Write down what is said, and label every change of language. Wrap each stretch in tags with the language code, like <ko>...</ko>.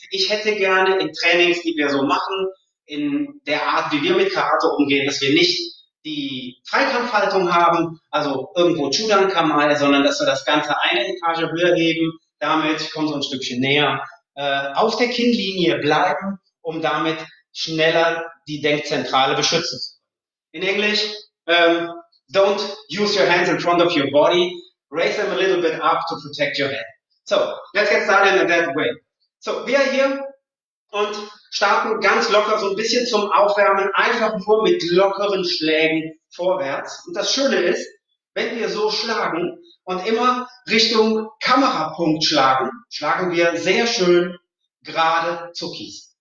<de>Ich hätte gerne in Trainings, die wir so machen, in der Art, wie wir mit Karate umgehen, dass wir nicht die Freikampfhaltung haben, also irgendwo Chudankamae, sondern dass wir das Ganze eine Etage höher heben, damit kommen so ein Stückchen näher, auf der Kinnlinie bleiben, um damit schneller die Denkzentrale beschützen zu können. In Englisch,</de> <en>don't use your hands in front of your body. Raise them a little bit up to protect your head. So, let's get started in that way.</en> <de>So, wir hier und starten ganz locker so ein bisschen zum Aufwärmen, einfach nur mit lockeren Schlägen vorwärts. Und das Schöne ist, wenn wir so schlagen und immer Richtung Kamerapunkt schlagen, schlagen wir sehr schön gerade Zuckis.</de>